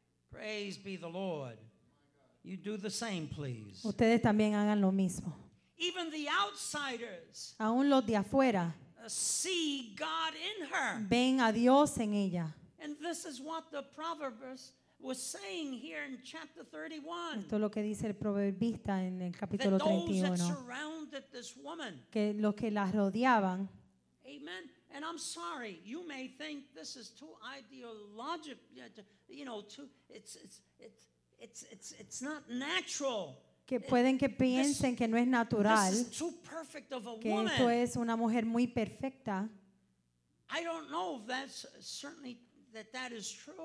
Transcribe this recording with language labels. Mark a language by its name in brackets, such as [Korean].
[English] Praise be the Lord. You do the same, please. [Spanish] Ustedes también hagan lo mismo. [English] Even the outsiders, [Spanish] aún los de afuera, [English] see God in her. [Spanish] Ven a Dios en ella. [English] And this is what the proverbist was saying here in chapter 31. [Spanish] Esto es lo que dice el proverbista en el capítulo 31. [English] That those that surrounded this woman, [Spanish] que los que la rodeaban. [English] Amen. And I'm sorry, you may think this is too ideological. You know, too. It's not natural. [Spanish] que pueden que piensen que no es natural, que esto es una mujer muy perfecta. [English] I don't know if that's certainly that that is true.